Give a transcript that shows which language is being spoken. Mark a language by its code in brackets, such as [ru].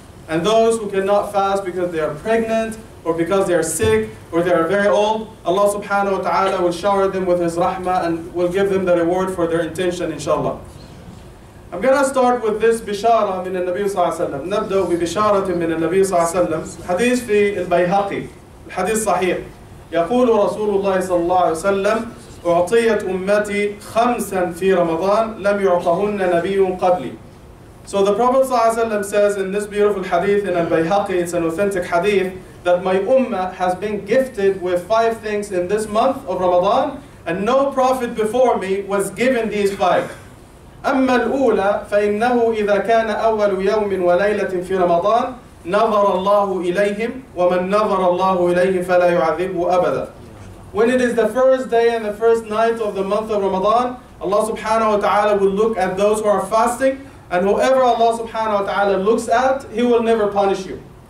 [en] And those who cannot fast because they are pregnant, or because they are sick, or they are very old, Allah subhanahu wa ta'ala will shower them with His rahmah and will give them the reward for their intention, inshallah. I'm going to start with this bishara min al-Nabi sallallahu alayhi wa sallam. [ar] Nabda bi bisharatin min al-Nabi sallallahu alayhi wa sallam. Hadith fi al-Bayhaqi, hadith sahih. يقول رسول الله صلى الله عليه وسلم أعطيت أمتي خمسا في رمضان لم يعطهن نبي قبلي. [en] So the Prophet صلى الله عليه وسلم says in this beautiful hadith in al-Bayhaqi, it's an authentic hadith, that my ummah has been gifted with five things in this month of Ramadan, and no prophet before me was given these five. [ar] أَمَّا الْأُولَى فَإِنَّهُ إِذَا كَانَ أَوَّلُ يَوْمٍ وَلَيْلَةٍ فِي رَمَضَانٍ نَظَرَ اللَّهُ إِلَيْهِمْ وَمَنْ نَظَرَ اللَّهُ إِلَيْهِمْ فَلَا يُعَذِّبُهُ أَبَدًا [en] When it is the first day and the first night of the month of Ramadan, Allah subhanahu wa ta'ala will look at those who are fasting, and whoever Allah subhanahu wa ta'ala looks at, He will never punish you.